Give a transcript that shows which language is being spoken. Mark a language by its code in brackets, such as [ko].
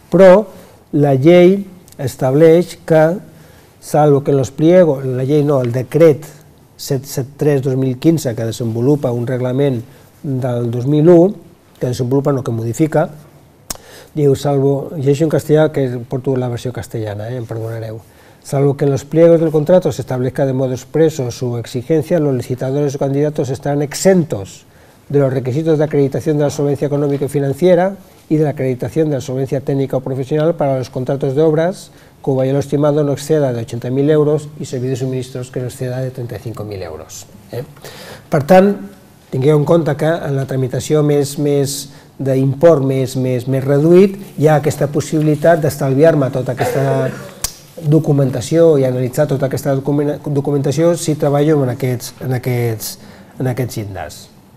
[ca] Però la llei estableix que, [es] salvo que en los pliegos, [ca] la llei no, el decret 773/2015 que desenvolupa un reglament del 2001, que desenvolupa, no, que modifica, Diu, salvo, llegeixo en castellà, que porto la versió castellana, em perdonareu. [es] Salvo que en los pliegos del contrato se establezca de modo expreso su exigencia, los licitadores o candidatos estarán exentos de los requisitos de acreditación de la solvencia económica y financiera y de la acreditación de la solvencia técnica o profesional para los contratos de obras, cuyo valor estimado no exceda de 80.000 euros y servicios y suministros que no exceda de 35.000 euros. [ca] Per tant, tingueu en compte que en la tramitació més d'import més reduït hi ha aquesta possibilitat d'estalviar-me tota aquesta documentació i analitzar tota aquesta documentació si treballo en aquests llindars.